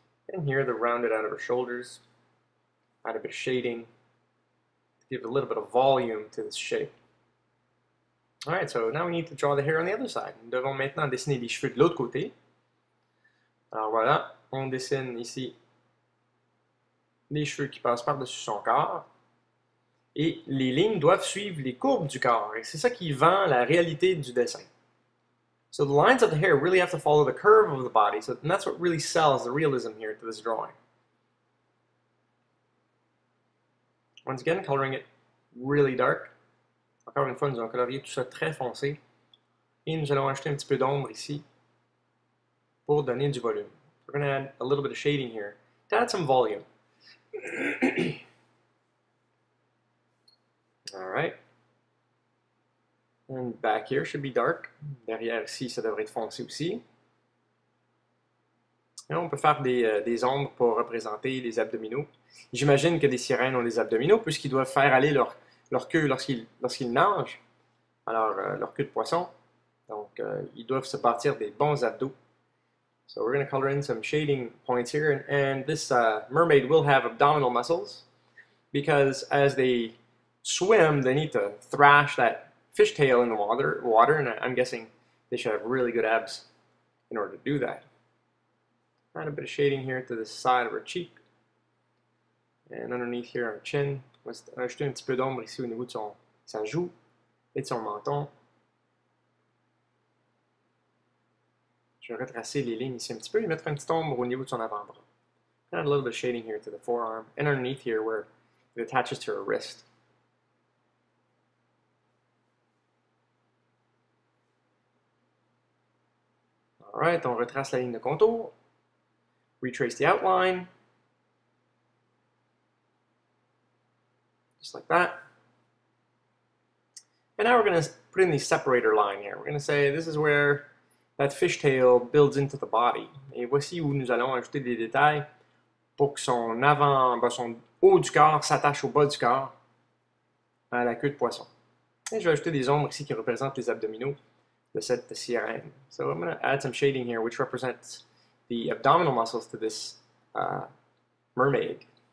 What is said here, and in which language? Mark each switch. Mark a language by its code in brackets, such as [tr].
[en] And here, the rounded out of her shoulders. Add a bit of shading. To give a little bit of volume to this shape. Alright, so now we need to draw the hair on the other side. [fr] Nous devons maintenant dessiner les cheveux de l'autre côté. Alors voilà, on dessine ici les cheveux qui passent par-dessus son corps. Et les lignes doivent suivre les courbes du corps. Et c'est ça qui vend la réalité du dessin. [en] So the lines of the hair really have to follow the curve of the body. So that's what really sells the realism here to this drawing. Once again, coloring it really dark. [fr] Encore une fois, nous allons colorier tout ça très foncé. Et nous allons ajouter un petit peu d'ombre ici pour donner du volume. [en] We're going to add a little bit of shading here to add some volume. All right, and back here should be dark. [fr] Derrière ici, ça devrait être foncé aussi. Et on peut faire des ombres pour représenter les abdominaux. J'imagine que des sirènes ont des abdominaux puisqu'ils doivent faire aller leur queue lorsqu'ils nagent. Alors leur queue de poisson. Donc ils doivent se bâtir des bons abdos. [en] So we're going to color in some shading points here, and this mermaid will have abdominal muscles because as they swim, they need to thrash that fish tail in the water, and I'm guessing They should have really good abs in order to do that. Add a bit of shading here to the side of her cheek. And underneath here, her chin. [fr] Ajouter un petit peu d'ombre ici au niveau de sa joue et de son menton. Je vais retracer les lignes ici un petit peu et mettre un petit ombre au niveau de son avant-bras. [en] Add a little bit of shading here to the forearm and underneath here where it attaches to her wrist. [fr] Alright, on retrace la ligne de contour. [en] Retrace the outline. Just like that. And now we're going to put in the separator line here. We're going to say this is where that fishtail builds into the body. [fr] Et voici où nous allons ajouter des détails pour que son avant, ben son haut du corps s'attache au bas du corps à la queue de poisson. Et je vais ajouter des ombres ici qui représentent les abdominaux de cette sirène. [en] So I'm going to add some shading here which represents the abdominal muscles to this mermaid.